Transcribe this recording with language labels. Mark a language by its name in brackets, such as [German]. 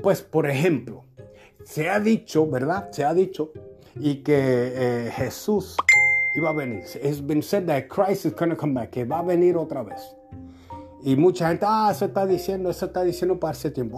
[Spanish] Por ejemplo, se ha dicho, ¿verdad? Se ha dicho y que Jesús iba a venir. [English] It's been said that Christ is going to come back. [Spanish] Que va a venir otra vez. Y mucha gente, eso está diciendo para ese tiempo.